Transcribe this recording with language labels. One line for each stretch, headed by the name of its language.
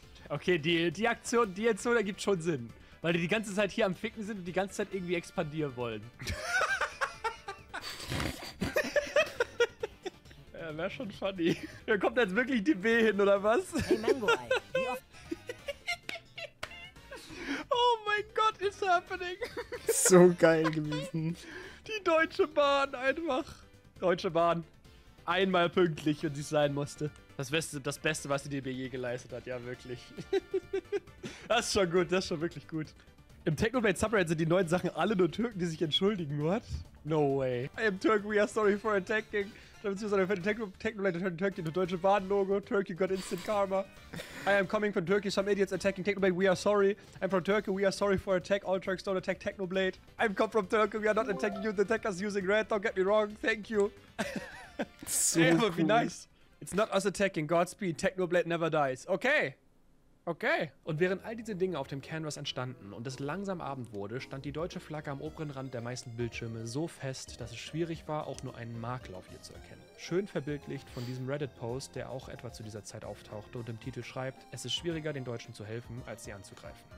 German: Okay, die Aktion, die jetzt so, da gibt schon Sinn. Weil die ganze Zeit hier am Ficken sind und die ganze Zeit irgendwie expandieren wollen. Ja, wäre schon funny. Da kommt jetzt wirklich die B hin, oder was? Hey, Mango-Ei. Oh mein Gott,
English: it's happening.
German: So geil gewesen. Die Deutsche Bahn einfach. Deutsche Bahn. Einmal pünktlich, wenn sie sein musste. Das Beste, was die DB je geleistet hat, ja wirklich. Das ist schon gut, das ist schon wirklich gut. Im Technoblade Subreddit sind die neuen Sachen alle nur Türken, die sich entschuldigen, what?
English: No way. I am Turk, we are sorry for attacking. Technoblade turned Turkey into Deutsche Bahn Logo. Turkey got instant karma. I am coming from Turkey, some idiots attacking Technoblade, we are sorry. I'm from Turkey, we are sorry for attack, all Turks don't attack Technoblade. I'm come from Turkey, we are not attacking you, the attackers using red, don't get me wrong, thank you. So cool. Would be nice. It's not us attacking, Godspeed, Technoblade never dies. Okay. Okay.
German: Und während all diese Dinge auf dem Canvas entstanden und es langsam Abend wurde, stand die deutsche Flagge am oberen Rand der meisten Bildschirme so fest, dass es schwierig war, auch nur einen Makel auf ihr zu erkennen. Schön verbildlicht von diesem Reddit-Post, der auch etwa zu dieser Zeit auftauchte und im Titel schreibt, es ist schwieriger, den Deutschen zu helfen, als sie anzugreifen.